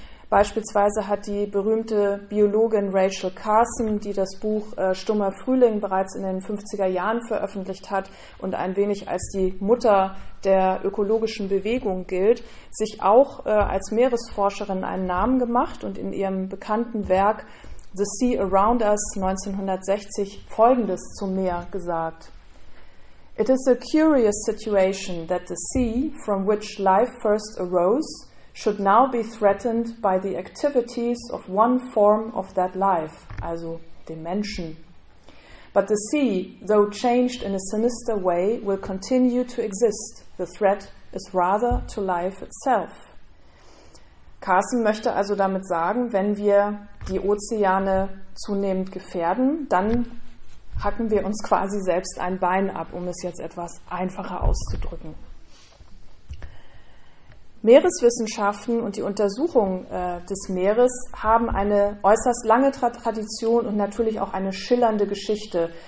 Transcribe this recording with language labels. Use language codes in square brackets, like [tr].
[de] Beispielsweise hat die berühmte Biologin Rachel Carson, die das Buch Stummer Frühling bereits in den 50er Jahren veröffentlicht hat und ein wenig als die Mutter der ökologischen Bewegung gilt, sich auch als Meeresforscherin einen Namen gemacht und in ihrem bekannten Werk The Sea Around Us 1960 Folgendes zum Meer gesagt. [en] It is a curious situation that the sea, from which life first arose, should now be threatened by the activities of one form of that life, [de] also dem Menschen. [en] But the sea, though changed in a sinister way, will continue to exist. The threat is rather to life itself. [de] Carson möchte also damit sagen, wenn wir die Ozeane zunehmend gefährden, dann hacken wir uns quasi selbst ein Bein ab, um es jetzt etwas einfacher auszudrücken. Meereswissenschaften und die Untersuchung des Meeres haben eine äußerst lange Tradition und natürlich auch eine schillernde Geschichte.